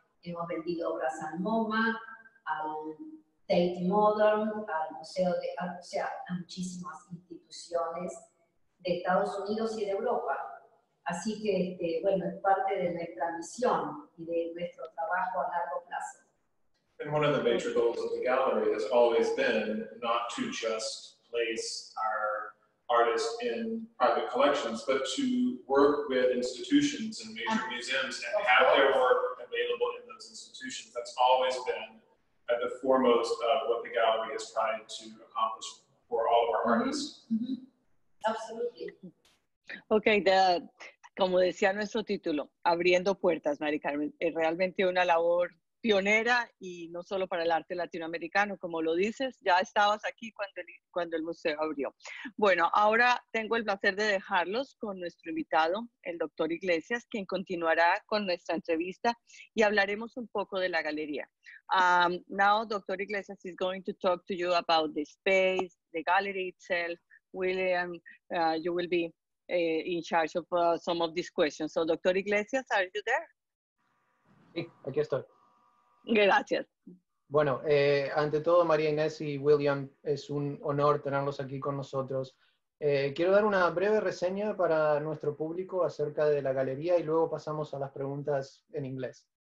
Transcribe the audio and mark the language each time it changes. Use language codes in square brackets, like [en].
[es] Hemos vendido obras al MoMA, al Tate Modern, al Museo de Art, o sea, a muchísimas instituciones de Estados Unidos y de Europa. Así que, bueno, es parte de nuestra misión y de nuestro trabajo a largo plazo. [en] And one of the major goals of the gallery has always been not to just place our artists in private collections, but to work with institutions and major museums and have their work available in those institutions. That's always been at the foremost of what the gallery has tried to accomplish for all of our artists. Mm-hmm. Absolutely. [es] Ok, como decía nuestro título, abriendo puertas, Mari Carmen, es realmente una labor pionera y no solo para el arte latinoamericano, como lo dices, ya estabas aquí cuando el museo abrió. Bueno, ahora tengo el placer de dejarlos con nuestro invitado, el doctor Iglesias, quien continuará con nuestra entrevista y hablaremos un poco de la galería. [en] Now, Dr. Iglesias is going to talk to you about the space, the gallery itself. William, you will be in charge of some of these questions. So, Dr. Iglesias, are you there? [es] Sí, aquí estoy. Gracias. Bueno, ante todo, María Inés y William, es un honor tenerlos aquí con nosotros. Quiero dar una breve reseña para nuestro público acerca de la galería y luego pasamos a las preguntas en inglés.